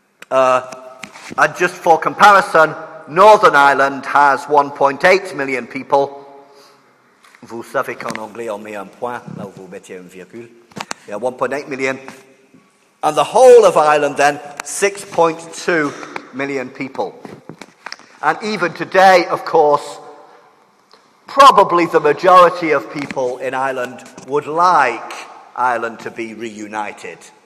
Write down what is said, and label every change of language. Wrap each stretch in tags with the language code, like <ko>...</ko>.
<en>And just for comparison, Northern Ireland has 1.8 million people.</en> <fr>Vous savez qu'en anglais on met un point, là où vous mettez une virgule.</fr> <en>Yeah, 1.8 million. And the whole of Ireland then, 6.2 million people. And even today, of course, probably the majority of people in Ireland would like Ireland to be reunited.</en>